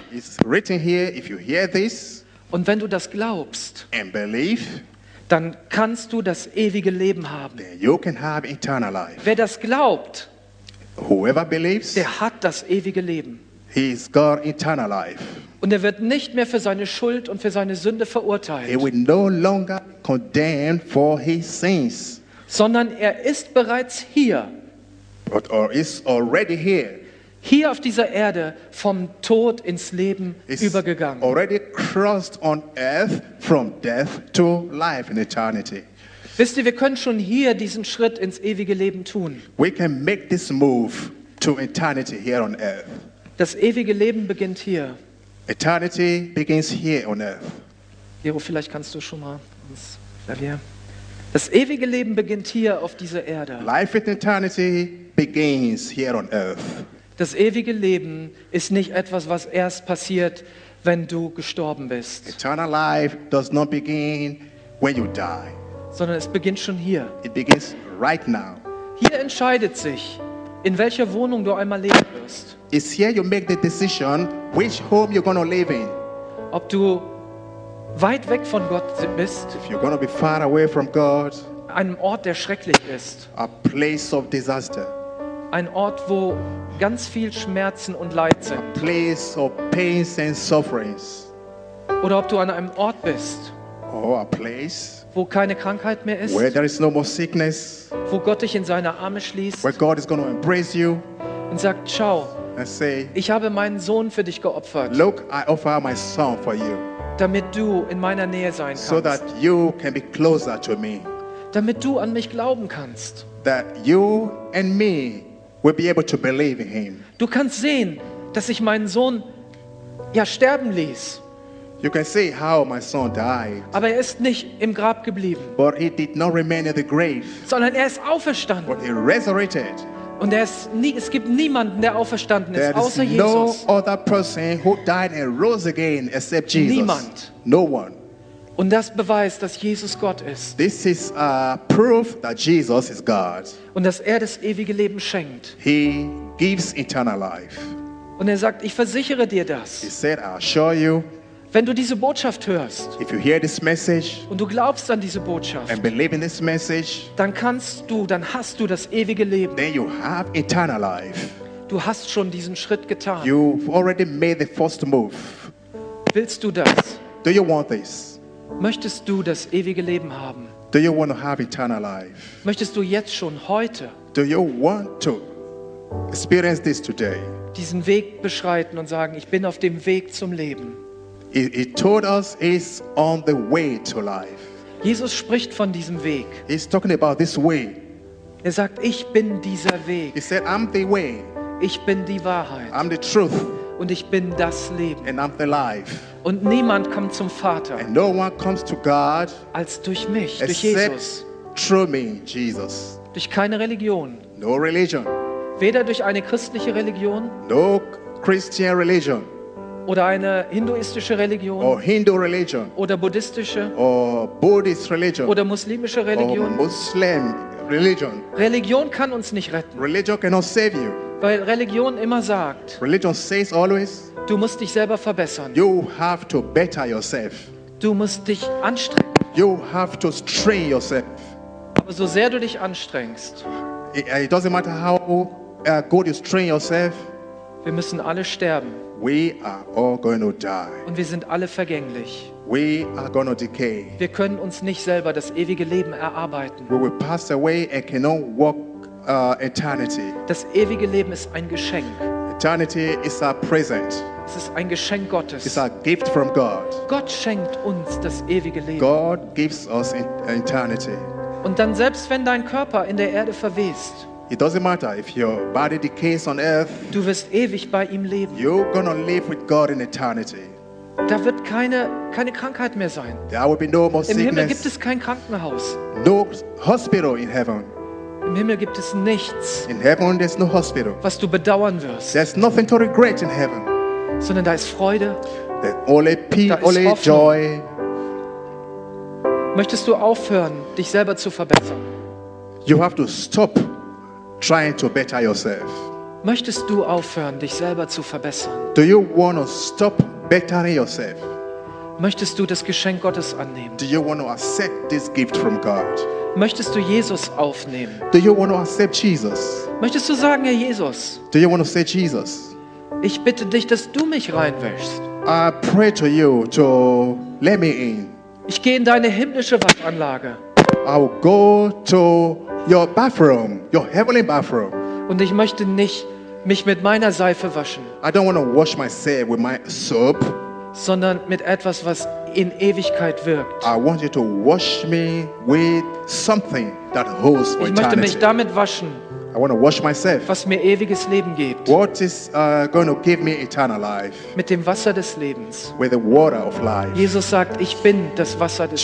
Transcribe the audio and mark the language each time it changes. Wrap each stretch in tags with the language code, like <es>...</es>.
<en>It's written here, if you hear this.</en> <de>Und wenn du das glaubst,</de> <en>and believe,</en> <de>dann kannst du das ewige Leben haben.</de> <en>Then you can have eternal life.</en> <de>Wer das glaubt,</de> <en>whoever believes,</en> <de>der hat das ewige Leben.</de> <en>He is got eternal life.</en> <de>Und er wird nicht mehr für seine Schuld und für seine Sünde verurteilt.</de> <en>He will no longer condemned for his sins.</en> <de>Sondern er ist bereits hier.</de> <en>But or is already here.</en> <de>Hier auf dieser Erde vom Tod ins Leben it's übergegangen.</de> <en>Already crossed on earth from death to life in eternity.</en> <de>Wisst ihr, wir können schon hier diesen Schritt ins ewige Leben tun.</de> <en>We can make this move to eternity here on earth.</en> <de>Das ewige Leben beginnt hier.</de> <en>Eternity begins here on earth.</en> <de>Jero, vielleicht kannst du schon mal uns erklären. Das ewige Leben beginnt hier auf dieser Erde.</de> <en>Life in eternity begins here on earth.</en> <de>Das ewige Leben ist nicht etwas, was erst passiert, wenn du gestorben bist.</de> <en>Eternal life does not begin when you die.</en> <de>Sondern es beginnt schon hier.</de> <en>It begins right now.</en> <de>Hier entscheidet sich, in welcher Wohnung du einmal leben wirst.</de> <en>It's here you make the decision which home you're gonna live in.</en> <de>Ob du weit weg von Gott bist.</de> <en>If you're gonna be far away from God.</en> <de>Einem Ort, der schrecklich ist.</de> <en>A place of disaster.</en> <de>Ein Ort, wo ganz viel Schmerzen und Leid sind.</de> <en>A place of pains and sufferings.</en> <de>Oder ob du an einem Ort bist,</de> <en>oh, a place,</en> <de>wo keine Krankheit mehr ist,</de> <en>where there is no more sickness,</en> <de>wo Gott dich in seine Arme schließt,</de> <en>where God is going to embrace you,</en> <de>und sagt, schau,</de> <en>and say,</en> <de>ich habe meinen Sohn für dich geopfert,</de> <en>look, I offer my son for you,</en> <de>damit du in meiner Nähe sein kannst,</de> <en>so that you can be closer to me,</en> <de>damit du an mich glauben kannst,</de> <en>that you and me will be able to believe in him.</en> <de>Du kannst sehen, dass ich meinen Sohn ja sterben ließ.</de> <en>You can see how my son died.</en> <de>Aber er ist nicht im Grab geblieben.</de> <en>But he did not remain in the grave.</en> <de>Sondern er ist auferstanden.</de> <en>But he resurrected.</en> <de>Und er ist nie, es gibt niemanden, der auferstanden ist, außer Jesus.</de> <en>No other person who died and rose again except Jesus.</en> <de>Niemand.</de> <en>No one.</en> <de>Und das beweist, dass Jesus Gott ist.</de> <en>This is a proof that Jesus is God.</en> <de>Und dass er das ewige Leben schenkt.</de> <en>He gives eternal life.</en> <de>Und er sagt, ich versichere dir das.</de> <en>He said, I assure you.</en> <de>Wenn du diese Botschaft hörst,</de> <en>if you hear this message,</en> <de>und du glaubst an diese Botschaft,</de> <en>and believe in this message,</en> <de>dann kannst du, dann hast du das ewige Leben.</de> <en>Then you have eternal life.</en> <de>Du hast schon diesen Schritt getan.</de> <en>You've already made the first move.</en> <de>Willst du das?</de> <en>Do you want this?</en> <de>Möchtest du das ewige Leben haben?</de> <en>Do you want to have eternal life?</en> <de>Möchtest du jetzt schon heute?</de> <en>Do you want to experience this today?</en> <de>Diesen Weg beschreiten und sagen, ich bin auf dem Weg zum Leben.</de> <en>He told us he's on the way to life.</en> <de>Jesus spricht von diesem Weg.</de> <en>He's talking about this way.</en> <de>Er sagt, ich bin dieser Weg.</de> <en>He said, I'm the way.</en> <de>Ich bin die Wahrheit.</de> <en>I'm the truth.</en> <de>Und ich bin das Leben.</de> <en>And I'm the life.</en> <de>Und niemand kommt zum Vater.</de> <en>And no one comes to God</en> <de>als durch mich,</de> <en>except</en> <de>durch Jesus.</de> <en>Through me, Jesus.</en> <de>Durch keine Religion.</de> <en>No religion.</en> <de>Weder durch eine christliche Religion.</de> <en>No Christian religion.</en> <de>Oder eine hinduistische Religion.</de> <en>Or Hindu religion.</en> <de>Oder buddhistische.</de> <en>Or Buddhist religion.</en> <de>Oder muslimische Religion.</de> <en>Or Muslim religion.</en> <de>Religion kann uns nicht retten.</de> <en>Religion cannot save you.</en> <de>Weil Religion immer sagt,</de> <en>religion says always,</en> <de>du musst dich selber verbessern.</de> <en>You have to better yourself.</en> <de>Du musst dich anstrengen.</de> <en>You have to strain yourself.</en> <de>Aber so sehr du dich anstrengst,</de> <en>it doesn't matter how good you strain yourself,</en> <de>wir müssen alle sterben.</de> <en>We are all going to die.</en> <de>Und wir sind alle vergänglich.</de> <en>We are going to decay.</en> <de>Wir können uns nicht selber das ewige Leben erarbeiten.</de> <en>We will pass away and cannot walk eternity.</en> <de>Das ewige Leben ist ein Geschenk.</de> <en>Eternity is a present.</en> <de>Es ist ein Geschenk Gottes.</de> <en>It's a gift from God.</en> <de>Gott schenkt uns das ewige Leben.</de> <en>God gives us eternity.</en> <de>Und dann selbst wenn dein Körper in der Erde verwest,</de> <en>it doesn't matter if your body decays on earth.</en> <de>Du wirst ewig bei ihm leben.</de> <en>You're gonna live with God in eternity.</en> <de>Da wird keine Krankheit mehr sein.</de> <en>There will be no more sickness.</en> <de>Im Himmel gibt es kein Krankenhaus.</de> <en>No hospital in heaven.</en> <de>Im Himmel gibt es nichts.</de> <en>In heaven there's no hospital.</en> <de>Was du bedauern wirst.</de> <en>There's nothing to regret in heaven.</en> <de>Sondern da ist Freude.</de> <en>The only peace,</en> <de>da ist</de> <en>only</en> <de>Hoffnung.</de> <en>Joy.</en> <de>Möchtest du aufhören, dich selber zu verbessern?</de> <en>You have to stop trying to better yourself.</en> <de>Möchtest du aufhören, dich selber zu verbessern?</de> <en>Do you want to stop bettering yourself?</en> <de>Möchtest du das Geschenk Gottes annehmen?</de> <en>Do you want to accept this gift from God?</en> <de>Möchtest du Jesus aufnehmen?</de> <en>Do you want to accept Jesus?</en> <de>Möchtest du sagen, Herr Jesus?</de> <en>Do you want to say Jesus?</en> <de>Ich bitte dich, dass du mich reinwäschst.</de> <en>I pray to you to let me in.</en> <de>Ich gehe in deine himmlische Waschanlage.</de> <en>I'll go to your bathroom, your heavenly bathroom.</en> <de>Und ich möchte nicht mich mit meiner Seife waschen.</de> <en>I don't want to wash myself with my soap.</en> <de>Sondern mit etwas, was in Ewigkeit wirkt.</de> <en>I want you to wash me with something that holds for eternity.</en> <de>Ich möchte mich damit waschen.</de> <en>I want to wash myself.</en> <de>Was mir ewiges Leben gibt.</de> <en>What is going to give me eternal life?</en> <de>Mit dem Wasser des Lebens.</de> <en>With the water of life.</en> <de>Jesus sagt, ich bin das Wasser des</de>